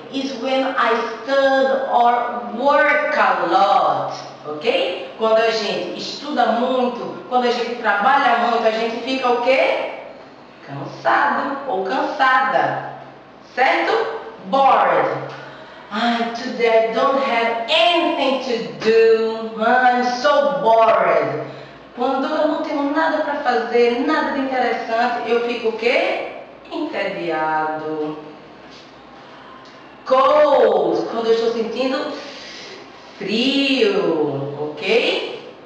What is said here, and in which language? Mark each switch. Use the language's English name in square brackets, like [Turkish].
[English] It's when I study or work a lot. [Portuguese] Ok? Quando a gente estuda muito. Quando a gente trabalha muito, a gente fica o quê? Cansado ou cansada. Certo? Bored. [English] Ai, today I don't have anything to do. I'm so bored. [Portuguese] Quando eu não tenho nada para fazer, nada de interessante, eu fico o quê? Entediado. Cold. Quando eu estou sentindo frio. Ok?